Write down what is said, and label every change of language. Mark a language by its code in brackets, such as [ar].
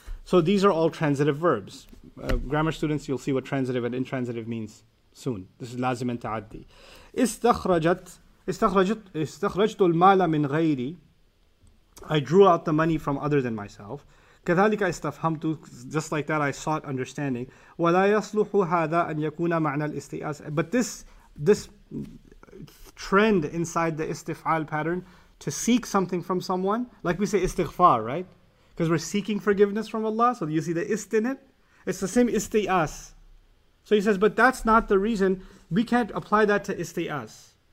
[en] So these are all transitive verbs. Grammar students, you'll see what transitive and intransitive means soon. This is lazim and ta'addi. [ar] استخرجت المال من غيري. [en] I drew out the money from other than myself. [ar] كذلك استفهمت. [en] Just like that, I sought understanding. [ar] ولا يصلح هذا أن يكون معنى الاستئاس. [en] But this trend inside the istif'al pattern to seek something from someone, like we say istighfar, right? Because we're seeking forgiveness from Allah, so you see the ist in it. It's the same isti'as. So he says, but that's not the reason. We can't apply that to isti'as.